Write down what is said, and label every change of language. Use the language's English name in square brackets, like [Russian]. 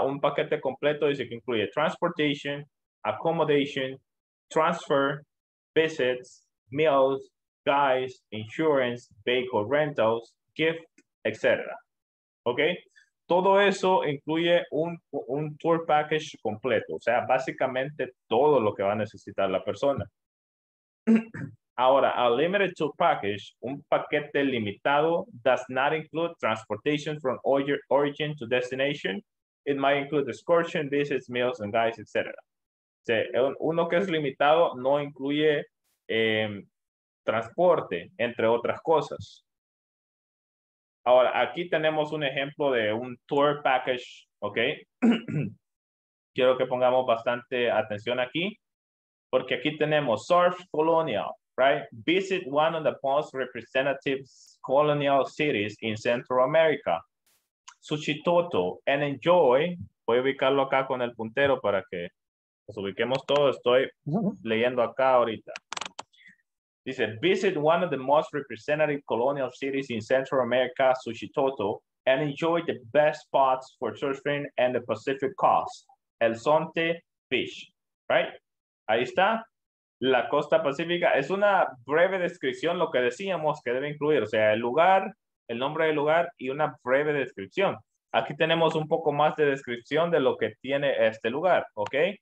[Spanish] Un paquete completo dice que incluye [English] transportation, accommodation, transfer, visits, meals, guides, insurance, vehicle rentals, gift, etc. ¿Ok? [Spanish] Todo eso incluye un tour package completo. O sea, básicamente todo lo que va a necesitar la persona. [English] Ahora, a limited tour package, [Spanish] un paquete limitado, [English] does not include transportation from origin to destination. It might include excursion, visits, meals, and guides, etc. [Spanish] Uno que es limitado no incluye transporte, entre otras cosas. Ahora, aquí tenemos un ejemplo de un tour package, ¿ok? Quiero que pongamos bastante atención aquí, porque aquí tenemos Surf Colonial, right? [English] Visit one of the most representative colonial cities in Central America, Suchitoto, and enjoy, [Spanish] voy a ubicarlo acá con el puntero para que nos ubiquemos todos, estoy leyendo acá ahorita. [English] Dice, visit one of the most representative colonial cities in Central America, Suchitoto, and enjoy the best spots for surfing and the Pacific coast, El Zonte Beach, right? [Spanish] Ahí está, la costa pacífica. Es una breve descripción lo que decíamos que debe incluir, o sea, el lugar, el nombre del lugar y una breve descripción. Aquí tenemos un poco más de descripción de lo que tiene este lugar, ¿ok?